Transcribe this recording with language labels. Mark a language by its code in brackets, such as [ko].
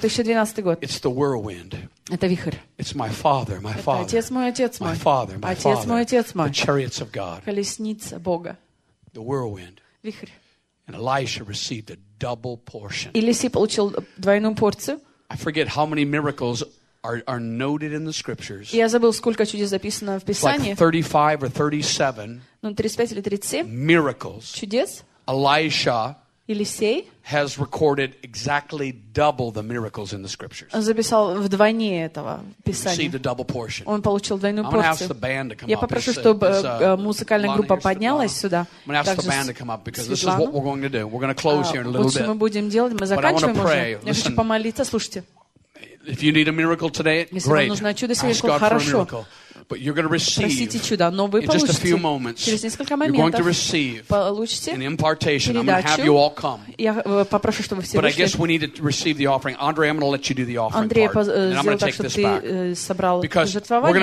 [ru] 2012 год. [en] It's the whirlwind. [ru] Это вихрь. [en] It's my father, my father. [ru] Отец мой, отец мой. [en] My father, my father. [ru] Отец мой, отец мой. [en] The chariots of God. [ru] Колесница Бога. [en] The whirlwind. [ru] Вихрь. [en] And Elisha received a double portion. [ru] Елисей получил двойную порцию. [en] I forget how many miracles are noted in the scriptures. [ru] Я забыл, сколько чудес записано в Писании. [en] Like 35 or 37. [ru] Ну, 35 или 37. [en] Miracles. [ru] Чудес. [en] Elisha. [ru] Елисей. [en] Has recorded exactly double the miracles in the scriptures. [ru] Он записал вдвойне этого Писания. [en] Received a double portion. [ru] Он получил двойную порцию. [en] I'm gonna ask the band to come up. [ru] Я попрошу, чтобы музыкальная группа поднялась сюда. [en] I'm gonna ask the band to come up because this is what we're going to do. We're gonna close here in a little bit. [ru] Вот что мы будем делать. Мы заканчиваем уже. Я хочу помолиться. Слушайте. [en] If you need a miracle today, great. [ru] Если вам нужно чудо сегодня, [en] ask God [ru] хорошо. [en] For a miracle. But you're going to receive. [ru] Просите чудо, но вы получите. [en] In just a few moments, [ru] через несколько моментов. [en] You're going to receive. [ru] Получите. [en] An impartation. I'm going to have you all come. [ru] Я попрошу, чтобы все пришли. [en] But I guess we need to receive the offering. Andre, I'm going to let you do the offering [ru] Андрей, [en] part. [ru] Андрей, сделай так, чтобы ты собрал жертвование.